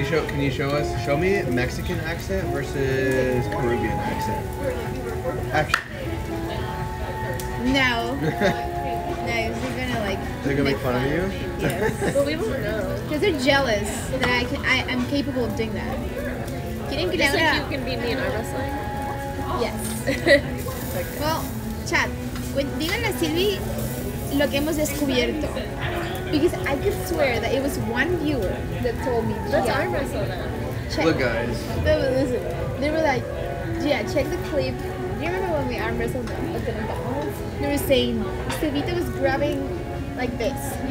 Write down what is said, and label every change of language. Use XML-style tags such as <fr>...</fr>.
<en>Can you show us? Show me Mexican accent versus Peruvian accent. Action. No. No, they're gonna like. They're gonna make fun of you? Yes. But we don't know. Because they're jealous that I'm capable of doing that. Getting good at it. You can beat me in arm wrestling? Yes.</en> <es>Well, chat, díganle a Silvi lo que hemos descubierto.</es> <en>Because I could swear that it was one viewer that told me. Let's arm wrestle them. Look, guys. No, but listen. They were like, yeah, check the clip. Do you remember when we arm wrestled them? They were saying, Silvita was grabbing like this.</en>